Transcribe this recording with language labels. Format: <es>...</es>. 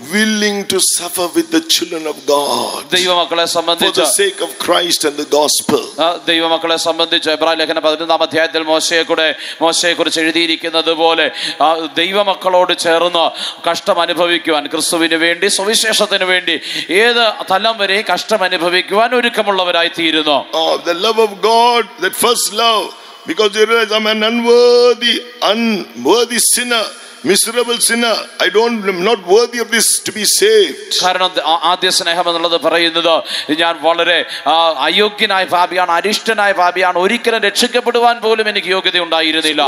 <en>Willing to suffer with the children of God.</en> <ml>ദൈവമക്കളെ സംബന്ധിച്ച്</ml> <en>for the sake of Christ and the gospel.</en> <ml>ദൈവമക്കളെ സംബന്ധിച്ച് എബ്രായ ലേഖനം 11 അധ്യായത്തിൽ മോശയെക്കുറിച്ച് എഴുതിയിരിക്കുന്നതുപോലെ ദൈവമക്കളോട് ചേർന്ന് കഷ്ടം അനുഭവിക്കുവാൻ ക്രിസ്തുവിന് വേണ്ടി സുവിശേഷത്തിന് വേണ്ടി ഏത് തലം വരെയും കഷ്ടം അനുഭവിക്കുവാൻ ഒരുക്കമുള്ളവരായി തീരുന്നു.</ml> <en>The love of God, that first love, because you realize I'm an unworthy sinner. miserable sinner, I'm not worthy of this to be saved.</en> <ml>കാരണം ആദ്യ സ്നേഹം എന്നുള്ളത് പറയുന്നത് ഞാൻ വളരെ അയോഗ്യനായ പാപിയാണ്, അരിഷ്ടനായ പാപിയാണ്, ഒരിക്കലും രക്ഷിക്കപ്പെടുവാൻ പോലും എനിക്ക് യോഗ്യത ഉണ്ടായിരുന്നില്ല.</ml>